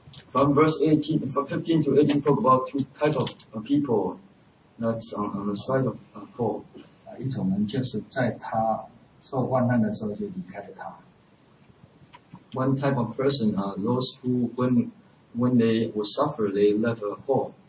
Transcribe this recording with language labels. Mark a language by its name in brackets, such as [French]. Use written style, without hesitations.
[English] From verse 18, from 15 to 18, talk about two types of people that's on the side of Paul. [Chinese] 一种人就是在他受患难的时候就离开了他。 [English] One type of person are those who, when they were suffer, they left a Paul.